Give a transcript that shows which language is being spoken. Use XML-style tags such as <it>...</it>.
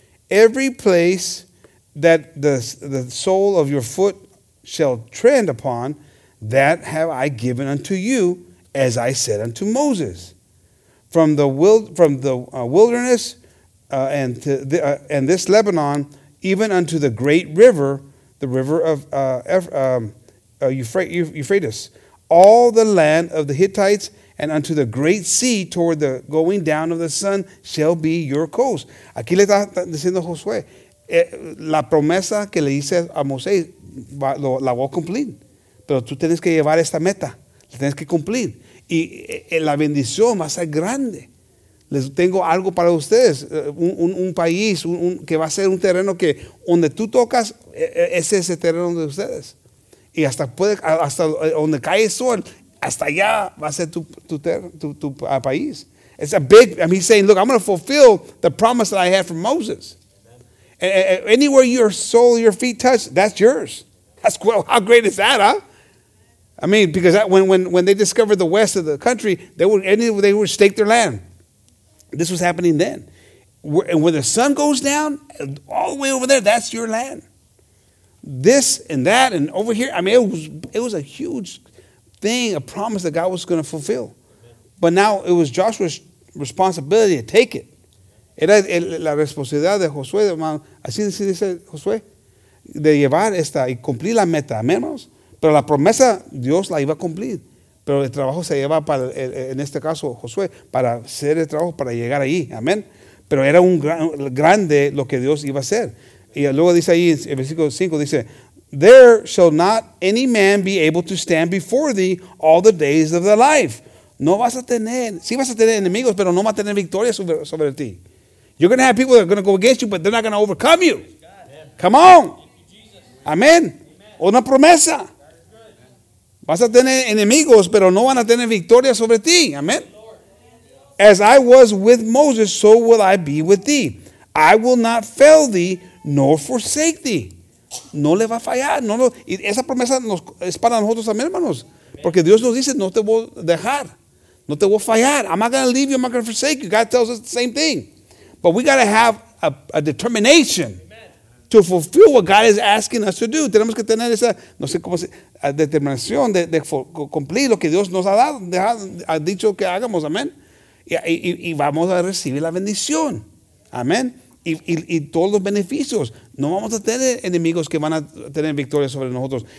<en>Every place that the sole of your foot shall tread upon, that have I given unto you, as I said unto Moses, from the wilderness and this Lebanon, even unto the great river, the river of Euphrates, all the land of the Hittites, and unto the great sea toward the going down of the sun shall be your coast.</en> <es>Aquí le está diciendo Josué. La promesa que le hice a Moisés la voy a cumplir, pero tú tienes que llevar esta meta, la tienes que cumplir, y la bendición va a ser grande. Les tengo algo para ustedes, un país que va a ser un terreno que donde tú tocas, ese es el terreno de ustedes, y hasta donde cae el sol, hasta allá va a ser tu país.</es> <en>It's a big, I mean, he's saying, look, I'm going to fulfill the promise that I had from Moses. Anywhere your soul, your feet touch, that's yours. That's, well, how great is that, huh? I mean, because that, when they discovered the west of the country, they would stake their land. This was happening then. And when the sun goes down, all the way over there, that's your land. This and that and over here, I mean, it was a huge thing, a promise that God was going to fulfill. But now it was Joshua's responsibility to take it.</en> <es>Era la responsabilidad de Josué, hermano. Así dice Josué, de llevar esta y cumplir la meta, menos. Pero la promesa, Dios la iba a cumplir. Pero el trabajo se lleva para, en este caso, Josué, para hacer el trabajo, para llegar ahí, amén. Pero era un grande lo que Dios iba a hacer. Y luego dice ahí, en el versículo 5, dice,</es> <en>there shall not any man be able to stand before thee all the days of thy life.</en> <es>No vas a tener, sí vas a tener enemigos, pero no va a tener victoria sobre ti.</es> <en>You're going to have people that are going to go against you, but they're not going to overcome you. Come on. Amen.</en> <es>Una promesa. Vas a tener enemigos, pero no van a tener victoria sobre ti.</es> <en>Amen. As I was with Moses, so will I be with thee. I will not fail thee, nor forsake thee.</en> <es>no le va a fallar. No, no. Y esa promesa nos, es para nosotros también, hermanos. Porque Dios nos dice, no te voy a dejar. No te voy a fallar.</es> <en>I'm not going to leave you. I'm not going to forsake you. God tells us the same thing. But we got to have a determination to fulfill what God is asking us to do.</en> <es>Tenemos que tener esa, no sé cómo se, determinación de cumplir lo que Dios nos ha dado, ha dicho que hagamos, amén. Y vamos a recibir la bendición, amén. Y todos los beneficios. No vamos a tener enemigos que van a tener victoria sobre nosotros.</es>